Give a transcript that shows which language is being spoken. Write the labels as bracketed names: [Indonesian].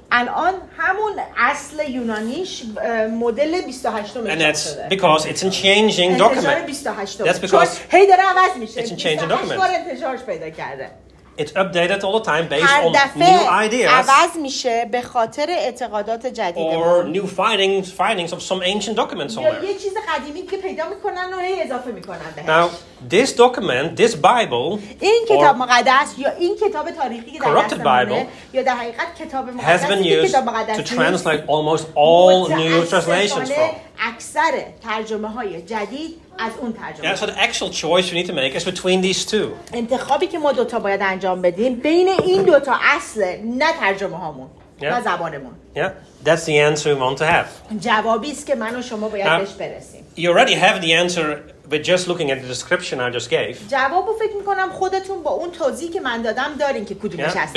[English] And on [Persian] همون اصل یونانیش مدل 28 شده. [English] And that's because it's in changing document. That's because [Persian] هی داره عوض میشه. [English] It's in changing document. [Persian] انتشارش پیدا کرده. [English] It's updated all the time based on new ideas. [Persian] عوض میشه به خاطر اعتقادات جدید. [English] Or new findings of some ancient document somewhere. [Persian] یه چیز قدیمی که پیدا میکنن و اضافه میکنن بهش. [English] Now, this document, this Bible, [Persian] این کتاب مقدس یا این کتاب تاریخی که در دست منه یا در حقیقت کتاب مقدس [English] has been used to translate almost all new translations from. [Persian] اکثر ترجمه های جدید [English] Yeah, so the actual choice we need to make is between these two. [Persian] انتخابی که ما دو تا باید انجام بدیم بین این دو تا اصل نه ترجمه هامون نه زبانمون. [English] Yeah, that's the answer we want to have. [Persian] جوابی است که من و شما باید بهش برسیم. [English] You already have the answer with just looking at the description I just gave. [Persian] جوابو فکر میکنم خودتون با اون توضیحی که من دادم دارین که کدومش هست.